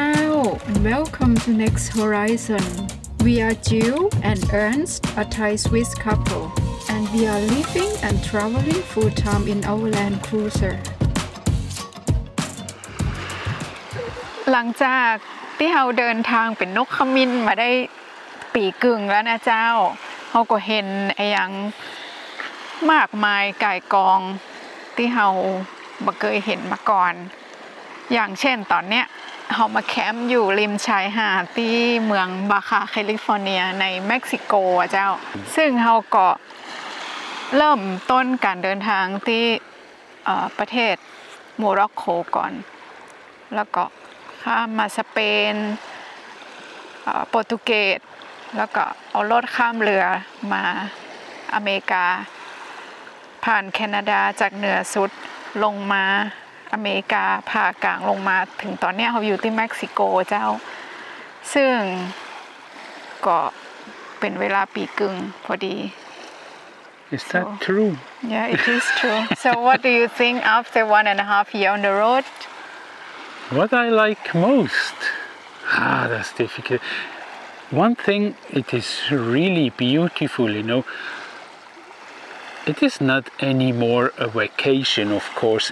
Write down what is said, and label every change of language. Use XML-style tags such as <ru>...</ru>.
<en>Welcome to Next Horizon. We are Jiew and Ernst, a Thai Swiss couple, and we are living and traveling full time in Overland cruiser.</en> <th>หลังจากที่เราเดินทางเป็นนกขมิ้นมาได้ปีกึ่งแล้วนะเจ้าเราก็เห็นไอ้ยัง มากมายก่ายกองที่เราบ่เคยเห็นมาก่อนอย่างเช่นตอนเนี้ยเขามาแคมป์อยู่ริมชายหาดที่เมืองบาคาแคลิฟอร์เนียในเม็กซิโกอ่ะเจ้าซึ่งเขาก็เริ่มต้นการเดินทางที่ประเทศโมร็อกโคก่อนแล้วก็ข้ามมาสเปน โปรตุเกสแล้วก็เอารถข้ามเรือมาอเมริกาผ่านแคนาดาจากเหนือสุดลงมาอเมริกาผ่ากลางลงมาถึงตอนนี้เขาอยู่ที่เม็กซิโกเจ้าซึ่งก็เป็นเวลาปีกึ่งพอดี</th> <en>Is that true? Yeah, it is true. So what do you think after 1.5 years on the road? What I like most? That's difficult. One thing, it is really beautiful, you know. It is not anymore a vacation, of course.</en>